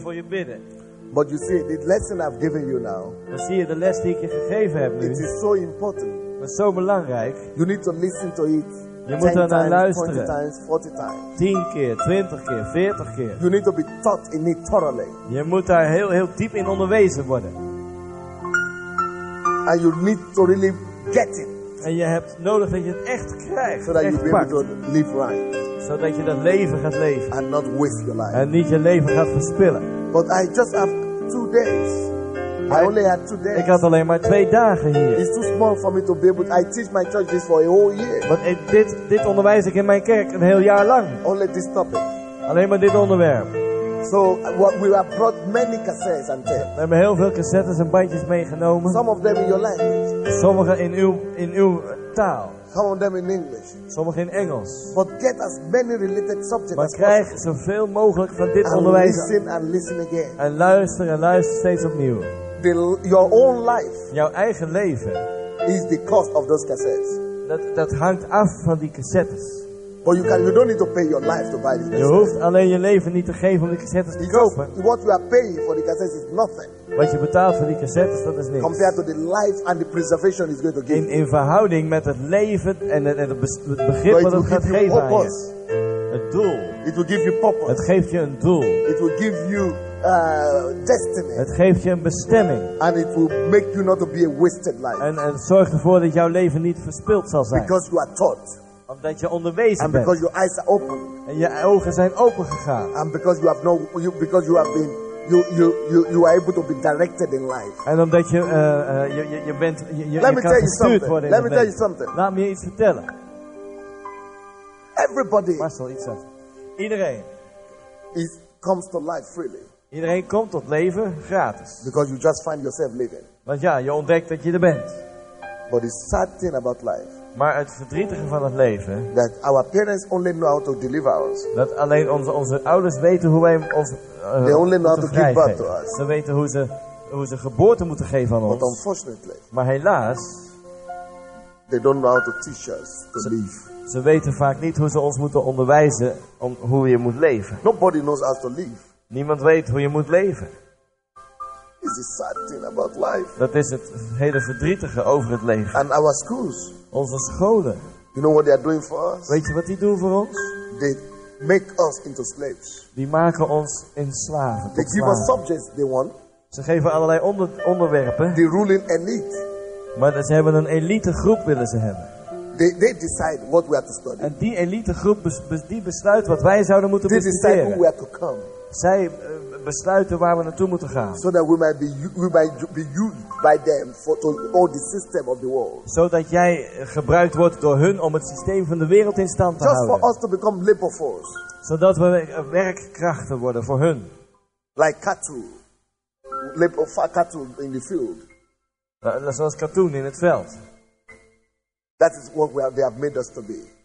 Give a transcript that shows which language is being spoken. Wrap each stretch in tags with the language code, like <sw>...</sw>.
<en>But you see, the lesson I've given you now.</en> <nl>Zie je de les die ik je gegeven heb nu?</nl> <en>It is so important.</en> <nl>Is zo belangrijk.</nl> <en>You need to listen to it.</en> <nl>Je moet er naar luisteren.</nl> <en>10 times, 40 times.</en> <nl>10 keer, 20 keer, 40 keer.</nl> <en>You need to be taught in it thoroughly.</en> <nl>Je moet daar heel, heel diep in onderwezen worden.</nl> <en>And you need to really get it.</en> <nl>En je hebt nodig dat je het echt krijgt.</nl> <en>So that</en> <nl>echt</nl> <en>you be able to live right.</en> <nl>Zodat je dat leven gaat leven.</nl> <en>And not waste your life.</en> <nl>En niet je leven gaat verspillen.</nl> <en>But I just have 2 days. I only had 2 days.</en> <nl>Ik had alleen maar 2 dagen hier.</nl> <en>It's too small for me to be able to. I teach my church this for a whole year.</en> <nl>But dit onderwijs ik in mijn kerk een heel jaar lang.</nl> <en>Only this topic.</en> <nl>Alleen maar dit onderwerp.</nl> <en>So what we have brought many cassettes and tapes.</en> <nl>We hebben heel veel cassettes en bandjes meegenomen.</nl> <en>Some of them in your language.</en> <nl>Sommige in uw taal.</nl> <en>Some of them in English.</en> <nl>Sommige in Engels.</nl> <en>But get as many related subjects</en> <nl>maar krijg</nl> <en>as</en> <nl>zoveel mogelijk van dit</nl> <en>and</en> <nl>onderwijs.</nl> <en>Listen and listen again.</en> <nl>En luister steeds opnieuw.</nl> <en>Your own life.</en> <nl>Jouw eigen leven.</nl> <en>Is the cost of those cassettes.</en> <nl>Dat hangt af van die cassettes.</nl> <en>But you don't need to pay your life to buy this.</en> <nl>Je hoeft alleen je leven niet te geven om die cassettes te kopen.</nl> <en>What you are paying for the cassettes is nothing.</en> <nl>Wat je betaalt voor die cassettes, dat is niks.</nl> <en>Compared to the life and the preservation is going to give.</en> <nl>In verhouding met het leven en het begrip wat het gaat geven aan je. een doel.</nl> <en>It will give you purpose.</en> <nl>Het geeft je een doel.</nl> <en>It will give you destiny.</en> <nl>Het geeft je een bestemming.</nl> <en>And it will make you not to be a wasted life.</en> <nl>En zorg ervoor dat jouw leven niet verspild zal zijn.</nl> <en>Because you are taught.</en> <nl>Omdat je onderwezen</nl> <en>and</en> <nl>bent.</nl> <en>Because your eyes are open.</en> <nl>En je ogen zijn open gegaan.</nl> <en>And because you have no, because you have been. You are able to be directed in life.</en> <nl>En omdat je je bent gestuurd worden in</nl> <en>Let me tell you something.</en> <nl>Laat me iets vertellen.</nl> <en>Everybody.</en> <nl>Marcel, iets zeggen. Iedereen.</nl> <en>Is comes to life freely.</en> <nl>Iedereen komt tot leven gratis.</nl> <en>Because you just find yourself living.</en> <nl>Want ja, je ontdekt dat je er bent.</nl> <en>But the sad thing about life.</en> <nl>Maar het verdrietige van het leven.</nl> <en>That our parents only know how to deliver us.</en> <nl>Dat alleen onze ouders weten hoe wij ons.</nl> <en>They only know how to give birth to us.</en> <nl>Ze weten hoe ze geboorte moeten geven aan</nl> <en>But</en> <nl>ons.</nl> <en>But unfortunately.</en> <nl>Maar helaas.</nl> <en>They don't know how to teach us to live.</en> <nl>Ze weten vaak niet hoe ze ons moeten onderwijzen om hoe je moet leven.</nl> <en>Nobody knows how to live.</en> <nl>Niemand weet hoe je moet leven.</nl> <en>It's a sad thing about life.</en> <nl>Dat is het hele verdrietige over het leven.</nl> <en>And our schools.</en> <nl>Onze scholen.</nl> <en>You know what they are doing for us?</en> <nl>Weet je wat die doen voor ons?</nl> <en>They make us into slaves.</en> <nl>Die maken ons in slaven.</nl> <en>They give us subjects they want.</en> <nl>Ze geven allerlei onderwerpen.</nl> <en>The ruling elite.</en> <nl>Maar ze hebben een elite groep willen ze hebben.</nl> <en>They decide what we are to study.</en> <nl>En die elite groep die besluit wat wij zouden moeten bestuderen.</nl> <en>They decide who we are to come.</en> <nl>Zij besluiten waar we naartoe moeten gaan. Zodat we</nl> <en>might be used by them for all the system of the world.</en> <nl>Zodat jij gebruikt wordt door hun om het systeem van de wereld in stand te</nl> <en>Just</en> <nl>houden.</nl> <en>For us to become labor force.</en> <nl>Zodat we werkkrachten worden voor hun.</nl> <en>Like cattle. Cattle in the field.</en> <nl>Zoals katoen in het veld.</nl> <en>That is what they have made us to be.</en>